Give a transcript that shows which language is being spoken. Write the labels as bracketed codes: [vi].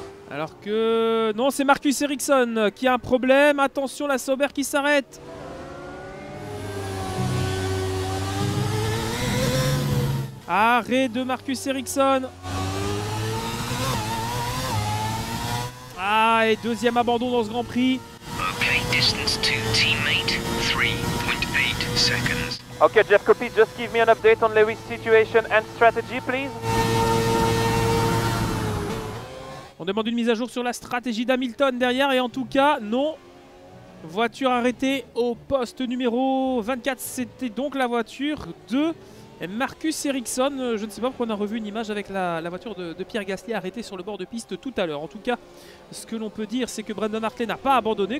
[fr] Alors que... Non, c'est Marcus Ericsson qui a un problème. Attention, la Sauber qui s'arrête. Arrêt de Marcus Ericsson. Ah, et deuxième abandon dans ce Grand Prix. [en] Ok, distance to teammate, 3.8 seconds. Ok, Jeff Copy, just give me an update on Lewis' situation and strategy, please. [fr] On demande une mise à jour sur la stratégie d'Hamilton derrière et en tout cas, non. Voiture arrêtée au poste numéro 24. C'était donc la voiture de Marcus Ericsson. Je ne sais pas pourquoi on a revu une image avec la voiture de Pierre Gasly arrêtée sur le bord de piste tout à l'heure. En tout cas, ce que l'on peut dire, c'est que Brendan Hartley n'a pas abandonné.